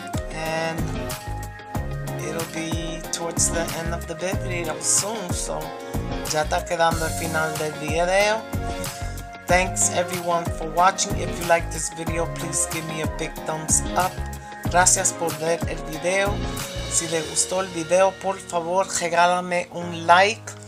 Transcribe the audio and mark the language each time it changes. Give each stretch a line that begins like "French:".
English: And it'll be towards the end of the video soon.
Spanish: So ya está quedando el final del video.
English: Thanks everyone for watching. If you like this video, please give me a big thumbs up.
Spanish: Gracias por ver el video. Si les gustó el video, por favor, regálame un like.